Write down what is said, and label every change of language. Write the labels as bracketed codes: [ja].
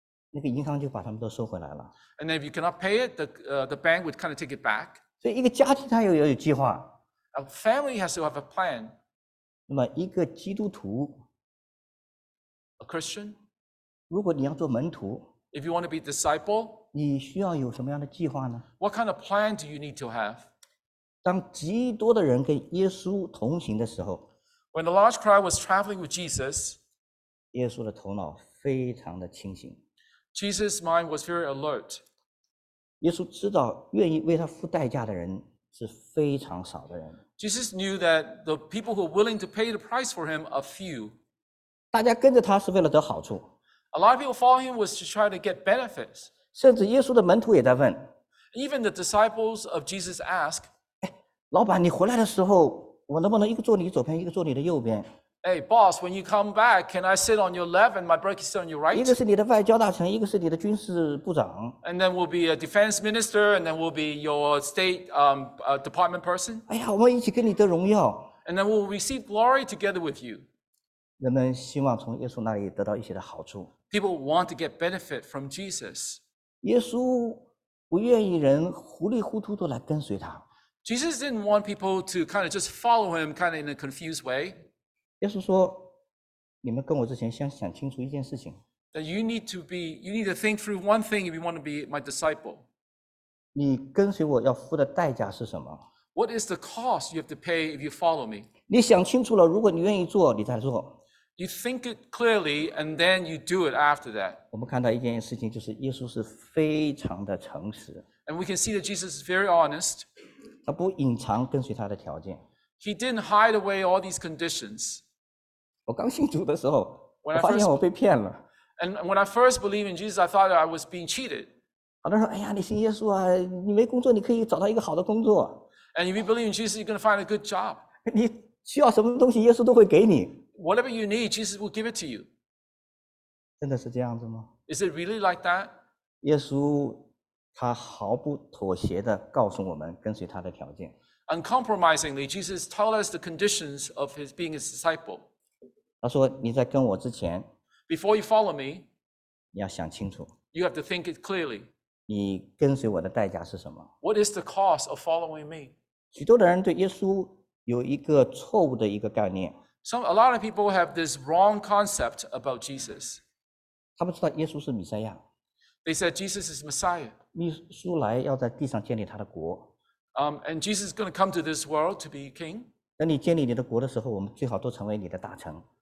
[zh] 那个银行就把他们都收回来了。 [en] And if you cannot pay it, the bank would kind of take it back. [zh] 所以一个家庭它有计划。 [en] A family has to have a plan. [zh] 那么一个基督徒 [en] ，A Christian， [zh] 如果你要做门徒。 [en] If you want to be a disciple, [zh] 你需要有什么样的计划呢 [en] ？What kind of plan do you need to have? [zh] 当极多的人跟耶稣同行的时候 [en] ，When the large crowd was traveling with Jesus, [zh] 耶稣的头脑非常的清醒。 [en] Jesus' mind was very alert. [zh] 耶稣知道愿意为他付代价的人是非常少的人。 [en] Jesus knew that the people who were willing to pay the price for him are few. [zh] 大家跟着他是为了得好处。 [en] A lot of people follow him was to try to get benefits. [zh] 甚至耶稣的门徒也在问。 [en] Even the disciples of Jesus ask, [zh] 老板，你回来的时候，我能不能一个坐你左边，一个坐你的右边？ [en] Hey, boss, when you come back, can I sit on your left and my brother sit on your right? [zh] 一个是你的外交大臣，一个是你的军事部长。 [en] And then we'll be a defense minister, and then we'll be your state department person. [zh] 哎呀，我们一起跟你得荣耀。 [en] And then we'll receive glory together with you. [zh] 人们希望从耶稣那里得到一些的好处。 [en] People want to get benefit from Jesus. [zh] 耶稣不愿意人糊里糊涂地来跟随他。 [en] Jesus didn't want people to kind of just follow him kind of in a confused way. [zh] 耶稣说：“你们跟我之前先想清楚一件事情。 [en] That you need to be, you need to think through one thing if you want to be my disciple. [zh] 你跟随我要付的代价是什么 [en] ？What is the cost you have to pay if you follow me？ [zh] 你想清楚了，如果你愿意做，你再做。 [en] You think it clearly and then you do it after that. [zh] 我们看到一件事情，就是耶稣是非常的诚实。 [en] And we can see that Jesus is very honest. [zh] 他不隐藏跟随他的条件。 [en] He didn't hide away all these conditions. [zh] 我刚信主的时候，我发现我被骗了。 [en] And when I first believed in Jesus, I thought I was being cheated. [zh] 很多人说：“哎呀，你信耶稣啊，你没工作，你可以找到一个好的工作。” [en] And if you believe in Jesus, you're going to find a good job. [zh] 你需要什么东西，耶稣都会给你。 [en] Whatever you need, Jesus will give it to you. [zh] 真的是这样子吗 [en] ？Is it really like that? [zh] 耶稣他毫不妥协地告诉我们跟随他的条件。 [en] Uncompromisingly, Jesus told us the conditions of his being his disciple. [zh] 他说：“你在跟我之前 [en] ，Before you follow me， [zh] 你要想清楚。 [en] You have to think it clearly。 [zh] 你跟随我的代价是什么 [en] ？What is the cost of following me？ [zh] 许多的人对耶稣有一个错误的一个概念。 [en] Some a lot of people have this wrong concept about Jesus。 [zh] 他们知道耶稣是弥赛亚。 [en] They said Jesus is Messiah。 [zh] 弥赛亚来要在地上建立他的国。 [en] And Jesus is going to come to this world to be king。 [zh] 等你建立你的国的时候，我们最好都成为你的大臣。”